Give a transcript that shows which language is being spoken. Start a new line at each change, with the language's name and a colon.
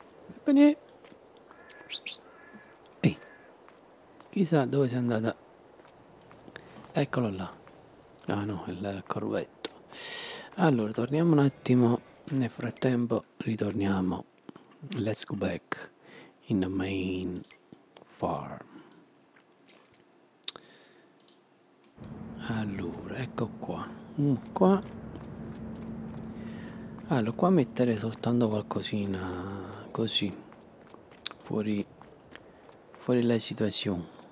Italian: Peppe. Ehi, chissà dove sei andata. Eccolo là. Ah no, il corvetto. Allora, torniamo un attimo. Nel frattempo ritorniamo.
English: Let's go back in the main farm. Allora,
Italian: ecco qua. Qua. Allora, qua mettere soltanto qualcosina così fuori la situazione.